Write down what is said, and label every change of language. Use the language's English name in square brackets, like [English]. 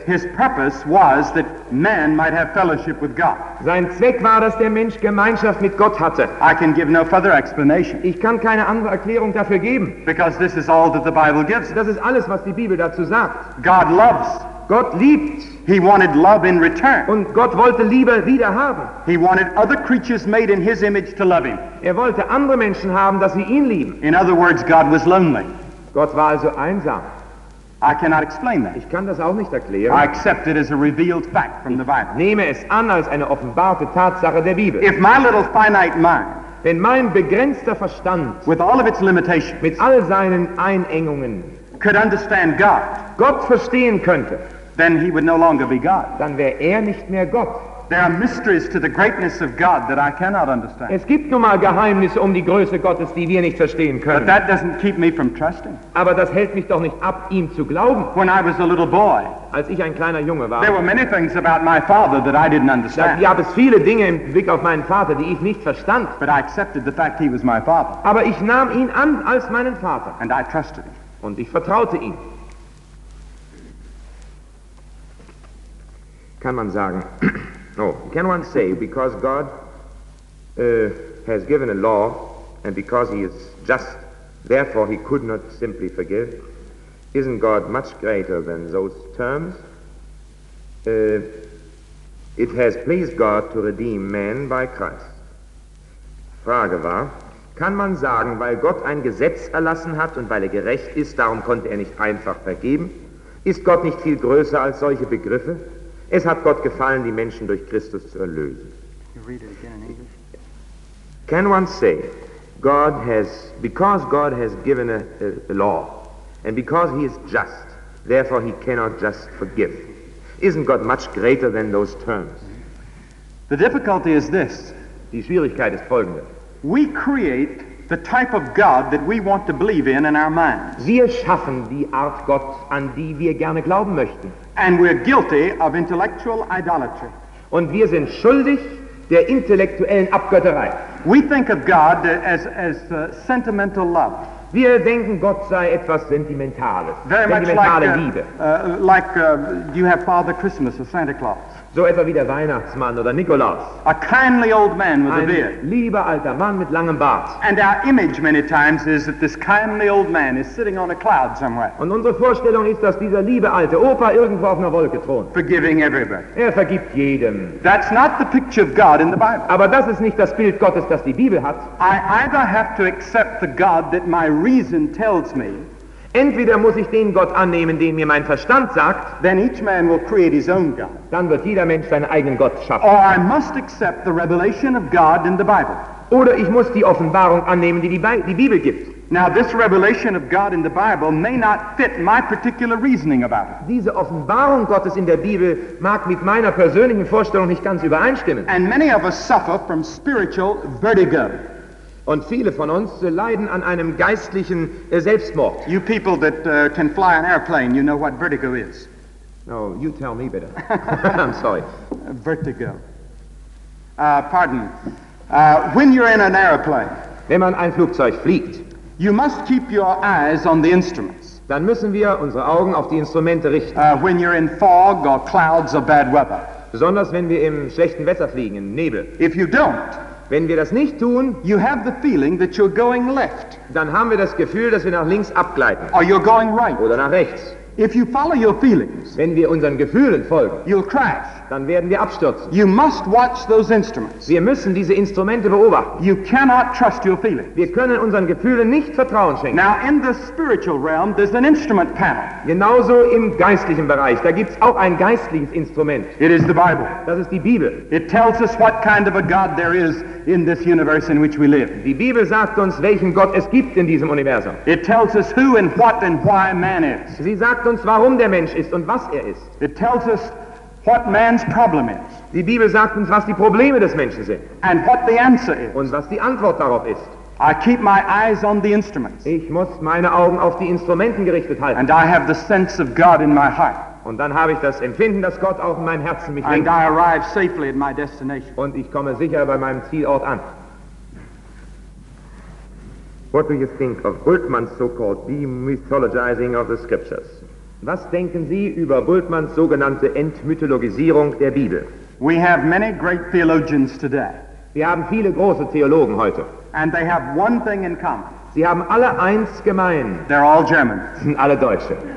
[English] His purpose was that man might have fellowship with God. [German] Sein Zweck war, dass der Mensch Gemeinschaft mit Gott hatte. [English] I can give no further explanation. [German] Ich kann keine andere Erklärung dafür geben. [English] Because this is all that the Bible gives. [German] Das ist alles, was die Bibel dazu sagt. [English] God loves. [German] Gott liebt. [English] He wanted love in return. [German] Und Gott wollte Liebe wieder haben. [English] He wanted other creatures made in his image to love him. [German] Er wollte andere Menschen haben, dass sie ihn lieben. [English] In other words, God was lonely. [German] Gott war also einsam. [English] I cannot explain that. [German] Ich kann das auch nicht erklären. [English] I accept it as a revealed fact from the Bible. [German] Nehme es an als eine offenbarte Tatsache der Bibel. [English] If my little finite mind, [German] wenn mein begrenzter Verstand, [English] with all of its limitations, [German] mit all seinen Einengungen, [English] could understand God, [German] Gott verstehen könnte, [English] then he would no longer be God. [German] Dann wäre er nicht mehr Gott. [English] There are mysteries to the greatness of God that I cannot understand. [German] Es gibt nun mal Geheimnisse um die Größe Gottes, die wir nicht verstehen können. [English] But that doesn't keep me from trusting. [German] Aber das hält mich doch nicht ab, ihm zu glauben. [English] When I was a little boy, [German] als ich ein kleiner Junge war, [English] there were many things about my father that I didn't understand. [German] Da gab es viele Dinge im Blick auf meinen Vater, die ich nicht verstand. [English] But I accepted the fact he was my father. [German] Aber ich nahm ihn an als meinen Vater. [English] And I trusted him. [German] Und ich vertraute ihm. [English] Can one say because God has given a law and because he is just, therefore he could not simply forgive? Isn't God much greater than those terms? It has pleased God to redeem man by Christ. [German] Frage war, kann man sagen, weil Gott ein Gesetz erlassen hat und weil er gerecht ist, darum konnte er nicht einfach vergeben? Ist Gott nicht viel größer als solche Begriffe? Es hat Gott gefallen, die Menschen durch Christus zu erlösen. [English] Can one say, because God has given a law, and because he is just, therefore he cannot just forgive? Isn't God much greater than those terms? The difficulty is this. [German] Die Schwierigkeit ist folgende. [English] We create the type of God that we want to believe in our minds. [German] Wir schaffen die Art Gott, an die wir gerne glauben möchten. [English] And we're guilty of intellectual idolatry. [German] Und wir sind schuldig der intellektuellen Abgötterei. [English] We think of God as sentimental love. [German] Wir denken, Gott sei etwas Sentimentales. [English] Very [German] sentimentale [English] much like, [German] Liebe. [English] You have Father Christmas or Santa Claus. [German] So etwa wie der Weihnachtsmann oder Nikolaus. [English] A kindly old man with [German] ein [English] a beard. [German] Lieber alter Mann mit langem Bart. [English] And our image many times is that this kindly old man is sitting on a cloud somewhere. [German] Und unsere Vorstellung ist, dass dieser liebe alte Opa irgendwo auf einer Wolke thront. [English] Forgiving everybody. [German] Er vergibt jedem. [English] That's not the picture of God in the Bible. [German] Aber das ist nicht das Bild Gottes, das die Bibel hat. [English] I either have to accept the God that my reason tells me. [German] Entweder muss ich den Gott annehmen, den mir mein Verstand sagt, [English] then each man will create his own God. [German] Dann wird jeder Mensch seinen eigenen Gott schaffen. [English] Or I must accept the revelation of God in the Bible. [German] Oder ich muss die Offenbarung annehmen, die die Bibel gibt. [English] Now this revelation of God in the Bible may not fit my particular reasoning about it. [German] Diese Offenbarung Gottes in der Bibel mag mit meiner persönlichen Vorstellung nicht ganz übereinstimmen. [English] And many of us suffer from spiritual vertigo. [German] Und viele von uns leiden an einem geistlichen Selbstmord. [English] You people that can fly an airplane, you know what vertigo is. No, you tell me better. I'm sorry. Vertigo. Pardon. When you're in an airplane, [German] wenn man ein Flugzeug fliegt, [English] you must keep your eyes on the instruments. [German] Dann müssen wir unsere Augen auf die Instrumente richten. [English] When you're in fog or clouds or bad weather. [German] Besonders wenn wir im schlechten Wetter fliegen, im Nebel. [English] If you don't, [German] wenn wir das nicht tun, [English] you have the feeling that you're going left. [German] Dann haben wir das Gefühl, dass wir nach links abgleiten. [English] Or you're going right. [German] Oder nach rechts. [English] If you follow your feelings, [German] wenn wir unseren Gefühlen folgen, [English] you'll crash. [German] Dann werden wir abstürzen. [English] You must watch those instruments. [German] Wir müssen diese Instrumente beobachten. [English] You cannot trust your feelings. [German] Wir können unseren Gefühlen nicht Vertrauen schenken. [English] Now in the spiritual realm, there's an instrument panel. [German] Genauso im geistlichen Bereich, da gibt's auch ein geistliches Instrument. [English] It is the Bible. [German] Das ist die Bibel. [English] It tells us what kind of a God there is in this universe in which we live. [German] Die Bibel sagt uns, welchen Gott es gibt in diesem Universum. [English] It tells us who and what and why man is. [German] Sie sagt uns, warum der Mensch ist und was er ist. [English] It tells us what man's problem is. [German] Die Bibel sagt uns, was die Probleme des Menschen sind. [English] And what the answer is. [German] Und was die Antwort darauf ist. [English] I keep my eyes on the instruments. [German] Ich muss meine Augen auf die Instrumenten gerichtet halten. [English] And I have the sense of God in my heart. [German] Und dann habe ich das Empfinden, dass Gott auch in mein Herzen mich lenkt. [English] And I arrive safely at my destination. [German] Und ich komme sicher bei meinem Zielort an. [English] What do you think of Bultmann's so-called demythologizing of the scriptures? [German] Was denken Sie über Bultmanns sogenannte Entmythologisierung der Bibel? [English] We have many great theologians today. [German] Wir haben viele große Theologen heute. [English] And they have one thing in common. [German] Sie haben alle eins gemein. [English] They're all Germans. [German] Sie sind alle Deutsche.